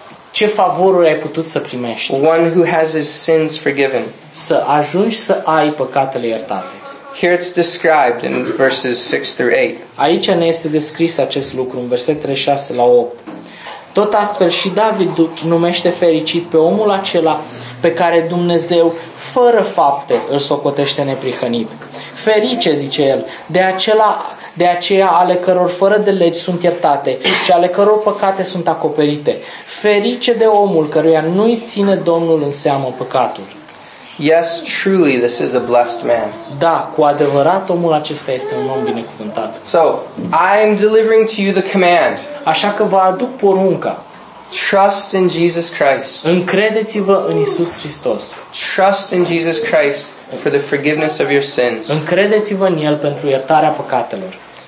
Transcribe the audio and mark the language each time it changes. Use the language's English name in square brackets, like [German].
[Romanian] Ce favoruri ai putut să primești. [English] One who has his sins forgiven. [Romanian] Să ajungi să ai păcatele iertate. [English] Here it's described in verses 6-8. [Romanian] Aici ne este descris acest lucru în versetele 6 la 8. Tot astfel și David numește fericit pe omul acela pe care Dumnezeu, fără fapte, îl socotește neprihănit. Ferice, zice el, de aceea ale căror fără de legi sunt iertate și ale căror păcate sunt acoperite. Ferice de omul căruia nu-i ține Domnul în seamă păcatul. [English] Yes, truly, this is a blessed man. [Romanian] Da, cu adevărat, omul acesta este un om binecuvântat. [English] So, I'm delivering to you the command. [Romanian] Așa că vă aduc porunca. [English] Trust in Jesus Christ. [Romanian] Încredeți-vă în Iisus Hristos. [English] Trust in Jesus Christ for the forgiveness of your sins. [Romanian] Încredeți-vă în El pentru iertarea păcatelor.